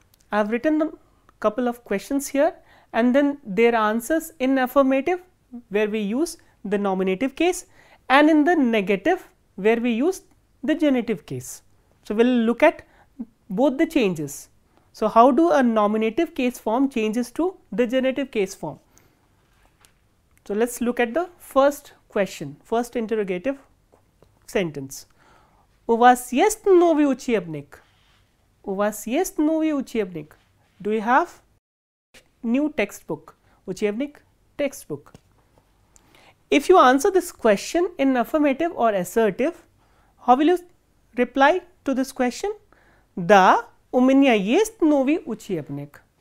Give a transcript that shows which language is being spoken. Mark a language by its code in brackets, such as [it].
[en] I've written a couple of questions here, and then their answers in affirmative, where we use the nominative case, and in the negative, where we use the genitive case. So we'll look at both the changes. So how do a nominative case form changes to the genitive case form? So let's look at the first question, first interrogative sentence. [ru] У вас есть новый учебник? У вас есть новый учебник? [en] Do you have new textbook? Учебник, textbook. If you answer this question in affirmative or assertive, how will you reply to this question? [ru] Да, у меня есть новый учебник.